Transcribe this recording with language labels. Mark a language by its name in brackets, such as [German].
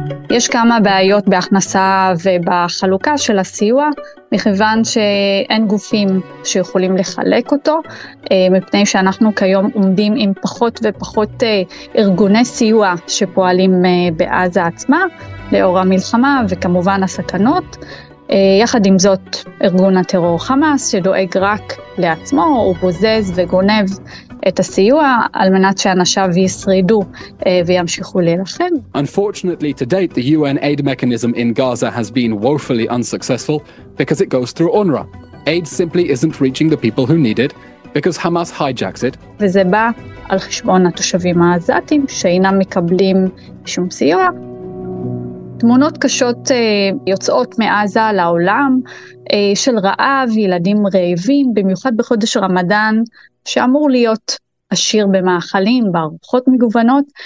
[Hebrew] יש כמה בעיות בהכנסה ובחלוקה של הסיוע, מכיוון שאין גופים שיכולים לחלק אותו, מפני שאנחנו כיום עומדים עם פחות ופחות ארגוני סיוע שפועלים בעזה עצמה, לאור המלחמה וכמובן הסכנות. יחד עם זאת, ארגון הטרור חמאס שדואג רק לעצמו, הוא בוזז וגונב את הסיוע על מנת שאנשיו ישרידו וימשיכו להילחם. [English] Unfortunately, to date, the UN aid mechanism in Gaza has been woefully unsuccessful because it goes through UNRWA. Aid simply isn't reaching the people who need it because Hamas hijacks it. [Hebrew] וזה בא על חשבון התושבים העזתים שאינם מקבלים שום סיוע. תמונות קשות יוצאות מעזה לעולם, של רעב, ילדים רעבים, במיוחד בחודש רמדאן, שאמור להיות עשיר במאכלים, בארוחות מגוונות.